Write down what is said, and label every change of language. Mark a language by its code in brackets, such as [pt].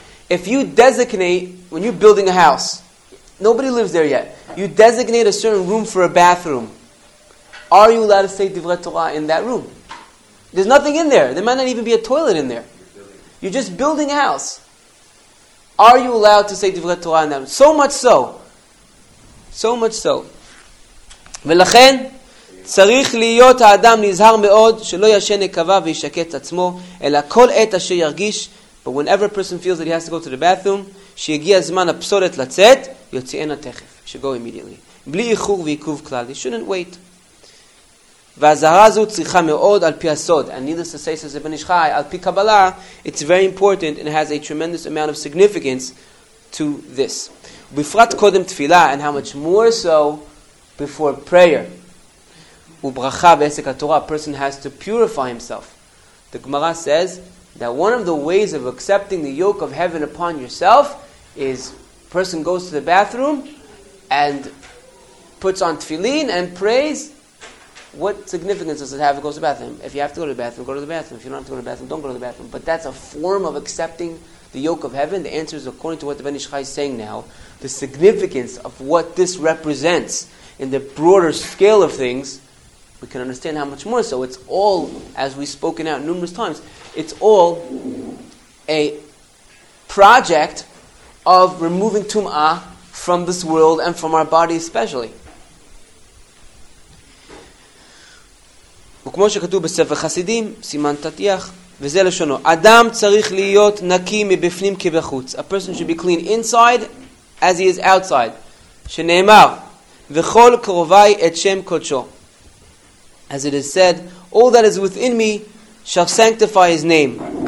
[en] If you designate, when you're building a house, nobody lives there yet, you designate a certain room for a bathroom, are you allowed to say divrei Torah in that room? There's nothing in there. There might not even be a toilet in there. You're just building a house. Are you allowed to say divrei Torah in that room? So much so. So much so. [he] ולכן, צריך להיות האדם נזהר מאוד שלא ישן נקבה וישקט עצמו, אלא כל עת אשר ירגיש. [en] But whenever a person feels that he has to go to the bathroom, [he] שיגיע זמן הפסולת לצאת, יוציאנה תכף. [en] Should go immediately. [he] בלי איחור ועיכוב כלל. [en] You shouldn't wait. [he] והזהרה הזו צריכה מאוד על פי הסוד. [en] And needless to say, says the Ben Ish Chai, [he] על פי קבלה, [en] it's very important and has a tremendous amount of significance to this. [he] בפרט קודם תפילה, [en] and how much more so before prayer. [he] וברכה ועסק התורה, [en] a person has to purify himself. The Gemara says that one of the ways of accepting the yoke of heaven upon yourself is person goes to the bathroom and puts on tefillin and prays. What significance does it have if it goes to the bathroom? If you have to go to the bathroom, go to the bathroom. If you don't have to go to the bathroom, don't go to the bathroom. But that's a form of accepting the yoke of heaven. The answer is according to what the Ben Ish Chai is saying now. The significance of what this represents in the broader scale of things, we can understand how much more so. It's all, as we've spoken out numerous times, it's all a project of removing tum'ah from this world and from our body especially. [he] וכמו שכתוב בספר חסידים, סימן תתיח, וזה לשונו. אדם צריך להיות נקי מבפנים כבחוץ. [en] A person should be clean inside as he is outside. [he] שנאמר, וכל קרובי את שם קודשו. [en] As it is said, all that is within me shall sanctify his name.